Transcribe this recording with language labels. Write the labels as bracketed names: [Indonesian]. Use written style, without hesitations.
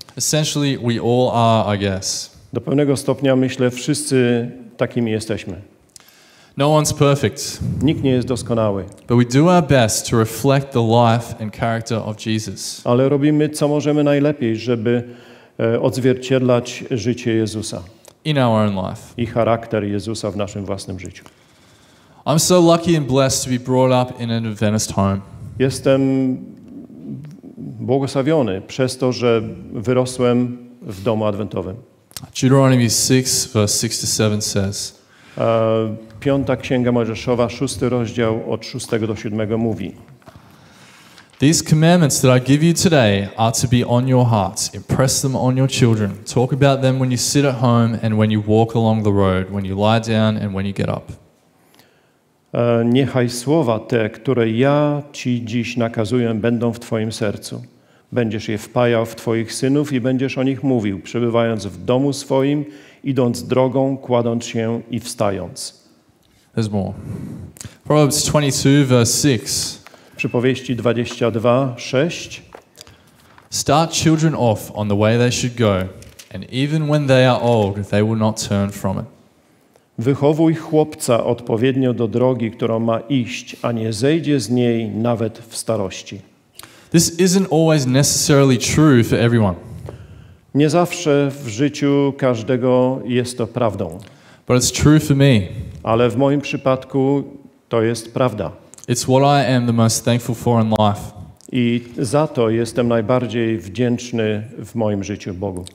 [English] Essentially, we all are, I guess. [Polish] Do pewnego stopnia, myślę, wszyscy takimi jesteśmy. [English] No one's perfect. [Polish] Nikt nie jest doskonały. [English] But we do our best to reflect the life and character of Jesus. [Polish] Ale robimy, co możemy najlepiej, żeby odzwierciedlać życie Jezusa. [English] In our own life. [Polish] I charakter Jezusa w naszym własnym życiu. [English] I'm so lucky and blessed to be brought up in an Adventist home. [Polish] Jestem błogosławiony przez to, że wyrosłem w domu adwentowym. [English] Deuteronomy 6, verse 6-7 says. [Polish] Piąta Księga Mojżeszowa, 6 rozdział od 6 do 7 mówi. [English] These commandments that I give you today are to be on your hearts. Impress them on your children. Talk about them when you sit at home and when you walk along the road, when you lie down and when you get up. [Polish] Niechaj słowa te, które ja ci dziś nakazuję, będą w twoim sercu. Będziesz je wpajał w twoich synów i będziesz o nich mówił, przebywając w domu swoim, idąc drogą, kładąc się i wstając. [English] There's more. Proverbs 22, verse 6. [Polish] Przypowieści 22, 6. [English] Start children off on the way they should go, and even when they are old, they will not turn from it. [Polish] Wychowuj chłopca odpowiednio do drogi, którą ma iść, a nie zejdzie z niej nawet w starości. [English] This isn't always necessarily true for everyone. [Polish] Nie zawsze w życiu każdego jest to prawdą. [English] But it's true for me. [Polish] Ale w moim przypadku to jest prawda. [English] It's what I am the most thankful for in life. [Polish] I za to jestem najbardziej wdzięczny w moim życiu Bogu.